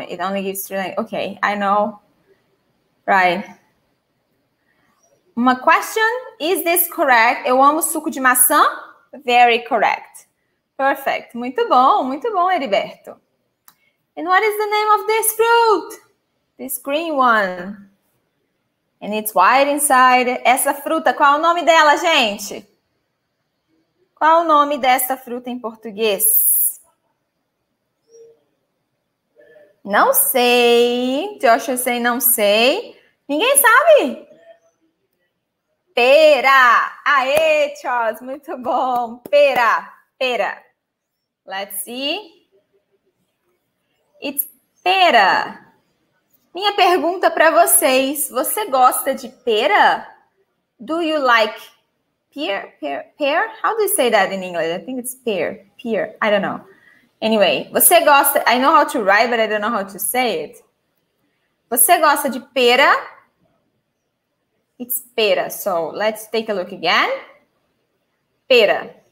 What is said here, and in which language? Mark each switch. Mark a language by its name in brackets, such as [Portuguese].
[English] It only gives three languages. Okay, I know. Right. Uma question. Is this correct? [Portuguese] Eu amo suco de maçã? [English] Very correct. Perfect. [Portuguese] Muito bom, Heriberto. [English] And what is the name of this fruit? This green one. And it's white inside. [Portuguese] Essa fruta, qual é o nome dela, gente? Qual é o nome dessa fruta em português? Não sei. Josh, eu sei, não sei. Ninguém sabe? Pera. Aê, Charles, muito bom. Pera, pera. [English] Let's see. It's pera. [Portuguese] Minha pergunta para vocês, você gosta de pera? [English] Do you like pear? Pear? How do you say that in English? I think it's pear. Pear. I don't know. Anyway, [Portuguese] você gosta... [English] I know how to write, but I don't know how to say it. [Portuguese] Você gosta de pera? [English] It's pera. So, let's take a look again. Pera.